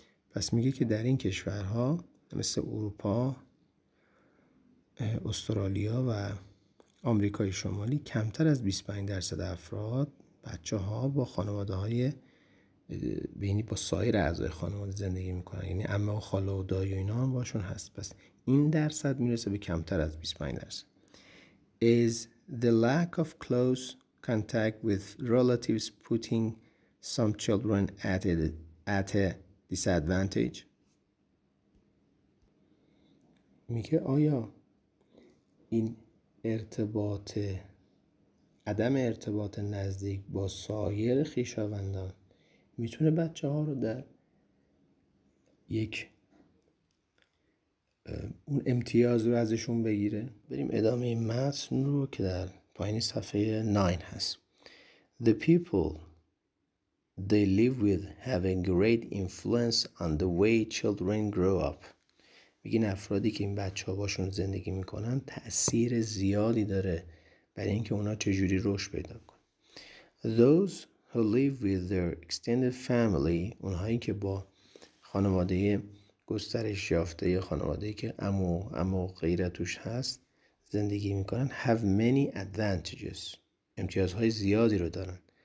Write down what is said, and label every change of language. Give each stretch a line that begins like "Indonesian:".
Persian: پس میگه که در این کشورها مثل اروپا، استرالیا و آمریکای شمالی کمتر از 25% افراد بچه‌ها با خانواده‌های بینی با سایر اعضای خانواده زندگی میکنن، یعنی عمه و خاله و دایی و اینا هم باشون هست. پس این درصد میرسه به کمتر از 25%.
English: Is the lack of close contact with relatives putting some children at a disadvantage?
Persian: میگه آیا این ارتباط، عدم ارتباط نزدیک با سایر خویشاوندان میتونه بچه ها رو در یک اون امتیاز رو ازشون بگیره؟ بریم ادامه این متن رو که در پایین صفحه 9 هست.
English: The people they live with have a great influence on the way children grow up.
Persian: میگین افرادی که این بچه ها باشون زندگی میکنن تأثیر زیادی داره برای اینکه اونا چجوری رشد پیدا کنن.
English: Those who live with their extended family،
Persian: اونهایی که با خانواده گسترش یافته یا خانواده‌ای که عمو غیرتوش هست زندگی میکنن،
English: have many advantages،
Persian: امتیازهای زیادی رو دارن.